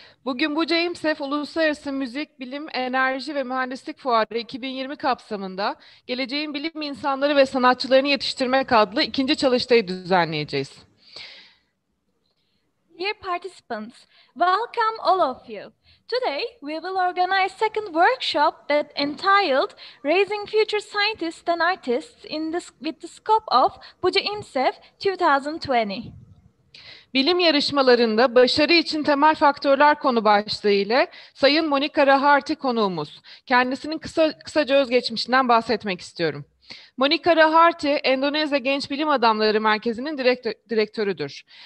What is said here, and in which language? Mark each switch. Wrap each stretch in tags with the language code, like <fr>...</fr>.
<tr>Bugün Buca Imsef Uluslararası Müzik, Bilim, Enerji ve Mühendislik Fuarı 2020 kapsamında geleceğin bilim insanları ve sanatçılarını yetiştirmek adlı ikinci çalıştayı düzenleyeceğiz.</tr> <en>Dear participants, welcome all of you. Today, we will organize second workshop that entitled Raising Future Scientists and Artists in this, with the scope of Buca Imsef 2020.</en> <tr>Bilim yarışmalarında başarı için temel faktörler konu başlığı ile Sayın Monika Raharti konuğumuz. Kendisinin kısaca özgeçmişinden bahsetmek istiyorum. Monika Raharti, Endonezya Genç Bilim Adamları Merkezi'nin direktörüdür.</tr>